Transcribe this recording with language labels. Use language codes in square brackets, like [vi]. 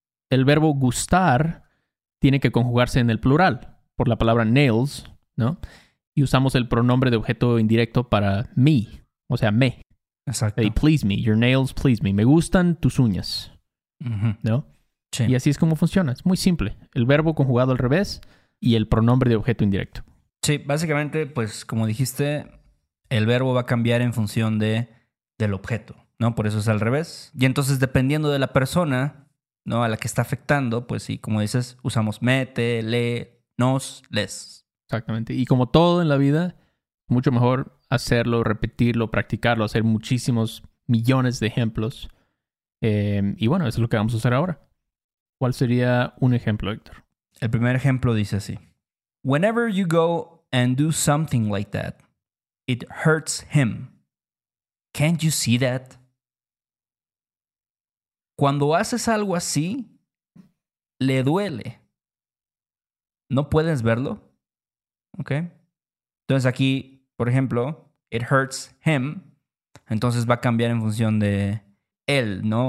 [es] El verbo gustar tiene que conjugarse en el plural por la palabra nails, ¿no? Y usamos el pronombre de objeto indirecto para me, o sea, me. Exacto. [en] Hey, please me, your nails, please me. [es] Me gustan tus uñas, uh-huh. ¿No? Sí. Y así es como funciona. Es muy simple. El verbo conjugado al revés... y el pronombre de objeto indirecto. Sí, básicamente, pues, como dijiste, el verbo va a cambiar en función del objeto, ¿no? Por eso es al revés. Y entonces, dependiendo de la persona, ¿no? A la que está afectando, pues sí, como dices, usamos mete, le, nos, les. Exactamente. Y como todo en la vida, mucho mejor hacerlo, repetirlo, practicarlo, hacer muchísimos millones de ejemplos. Y bueno, eso es lo que vamos a hacer ahora. ¿Cuál sería un ejemplo, Héctor? El primer ejemplo dice así. [en] Whenever you go and do something like that, it hurts him. Can't you see that? [es] Cuando haces algo así, le duele. ¿No puedes verlo? [en] ¿Ok? [es] Entonces aquí, por ejemplo, [en] it hurts him. [es] Entonces va a cambiar en función de él, ¿no?